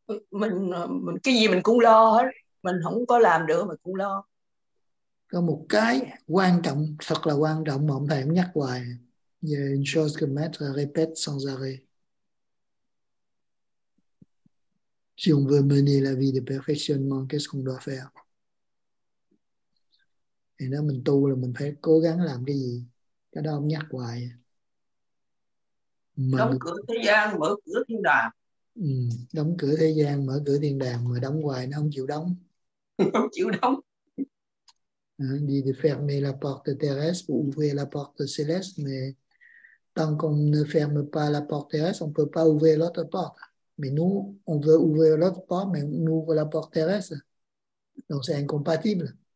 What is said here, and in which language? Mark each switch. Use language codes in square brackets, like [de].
[vi] Mình cái gì mình cũng lo hết. Mình không có làm được mà cũng lo. Có một cái quan trọng, thật là quan trọng mà ông thầy cũng nhắc hoài. [fr] Il y a une chose que maître répète sans arrêt. Si on veut mener la vie de perfectionnement, qu'est-ce qu'on doit faire? Et là, [vi] mình tu là mình phải cố gắng làm cái gì? Cái đó ông nhắc hoài. Mà đóng cửa thế gian, mở cửa thiên đàng. Ừ, đóng cửa thế gian, mở cửa thiên đàng, mà đóng hoài nó không chịu đóng. Không chịu đóng. [fr] Il dit de fermer la porte terrestre pour ouvrir la porte céleste, mais tant qu'on ne ferme pas la porte terrestre, on ne peut pas ouvrir l'autre porte. Mais nous, on veut ouvrir l'autre porte, mais on ouvre la porte terrestre. Donc c'est incompatible.